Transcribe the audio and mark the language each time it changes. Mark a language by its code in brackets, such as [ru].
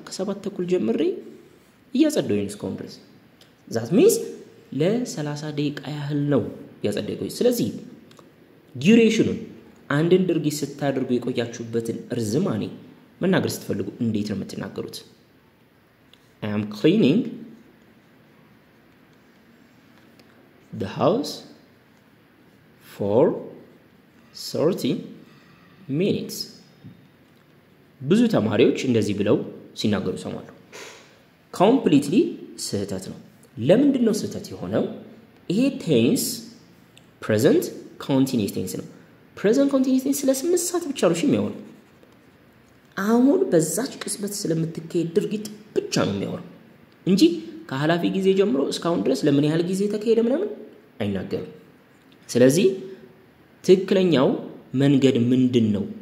[am] ከ7 ተኩል ጀምሬ እያጸዳሁ ነው እስካሁን ድረስ። [en] ዛት ሚንስ [am] ለ30 ደቂቃ ያህል ነው ያጸደቀው። ስለዚህ ዲዩሬሽኑን አንድን ድርጊት ስታደርጉ የቆያችሁበትን ርዝማኔ መናገር ስትፈልጉ እንዴት ነው የምትናገሩት? [en] I am cleaning the house for 30 minutes. [am] ብዙ ተማሪዎች እንደዚህ ብለው ሲናገሩ ሰማሉ። Completely ስህተት ነው። ለምንድን ነው ስህተት የሆነው? ይሄ tense present continuous tense ነው። present continuous tense ስለ 8 ሰዓት ብቻ ነው የሚያወራው። አሁን በዛች ቅጽበት ስለምትካሄድ ድርጊት ብቻ ነው የሚያወራው እንጂ ከሐላፊ ጊዜ ጀምሮ እስካሁን ድረስ ለምን ያህል ጊዜ ተካሄደ ምናምን አይናገርም። ስለዚህ ትክክለኛው መንገድ ምንድነው?